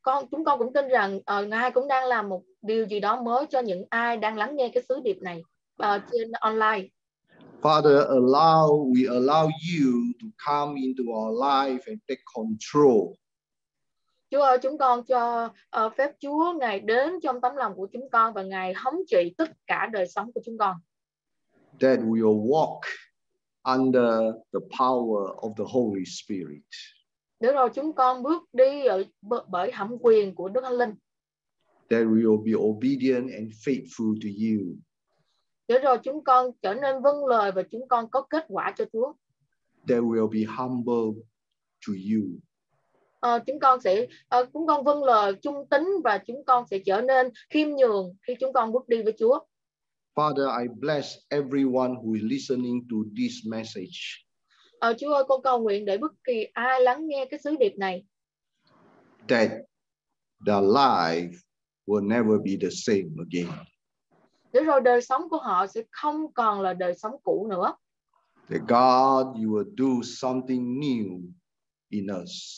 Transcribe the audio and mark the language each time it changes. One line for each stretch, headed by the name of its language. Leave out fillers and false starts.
Vietnamese: Chúng con cũng tin rằng Ngài cũng đang làm một điều gì đó mới cho những ai đang lắng nghe cái sứ điệp này trên online.
English: Father, we allow you to come into our life and take control.
Vietnamese: Chúa ơi, chúng con cho phép Chúa Ngài đến trong tấm lòng của chúng con và Ngài thống trị tất cả đời sống của chúng con.
English: That we will walk under the power of the Holy Spirit.
Vietnamese: Để rồi chúng con bước đi bởi thẩm quyền của Đức Thánh Linh.
English: That we will be obedient and faithful to you.
Vietnamese: Để rồi chúng con trở nên vâng lời và chúng con có kết quả cho Chúa.
English: That we will be humble to you.
Vietnamese: chúng con sẽ chúng con vâng lời trung tín và chúng con sẽ trở nên khiêm nhường khi chúng con bước đi với Chúa.
English: Father, I bless everyone who is listening to this message.
Vietnamese: Chúa ơi, con cầu nguyện để bất kỳ ai lắng nghe cái sứ điệp này.
English: That the life will never be the same again.
Vietnamese: Để rồi đời sống của họ sẽ không còn là đời sống cũ nữa.
English: That God, you will do something new in us.